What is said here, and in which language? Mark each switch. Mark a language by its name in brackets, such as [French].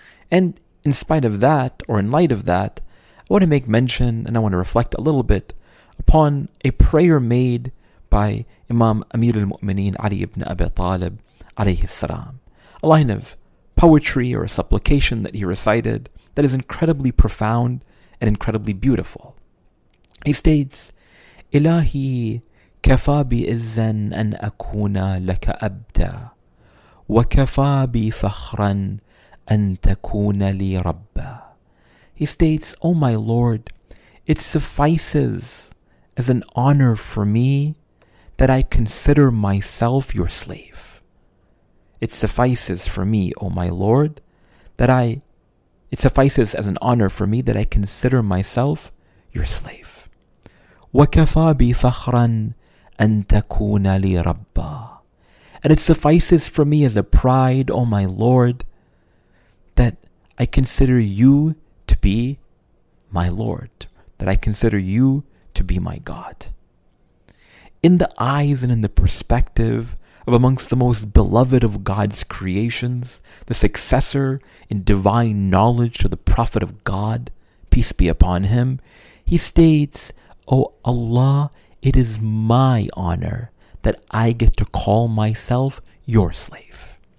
[English] And in spite of that, or in light of that, I want to make mention and I want to reflect a little bit upon a prayer made by Imam Amir al-Mu'mineen Ali ibn Abi Talib alayhi salam, a line of poetry or a supplication that he recited that is incredibly profound and incredibly beautiful. [Arabic] He states, Ilahi كفى بإزا أن أكون لك أبدا وكفى بفخرا أن تكون لي ربا. [English] He states, O my Lord, it suffices as an honor for me that I consider myself your slave. It suffices for me, O my Lord, that I consider myself your slave. [Arabic] وكفى بفخرا أن تكون لي ربا. [English] And it suffices for me as a pride, O my Lord, that I consider you to be my Lord, that I consider you to be my God. In the eyes and in the perspective of amongst the most beloved of God's creations, the successor in divine knowledge to the Prophet of God, peace be upon him, he states, O Allah, it is my honor that I get to call myself your slave.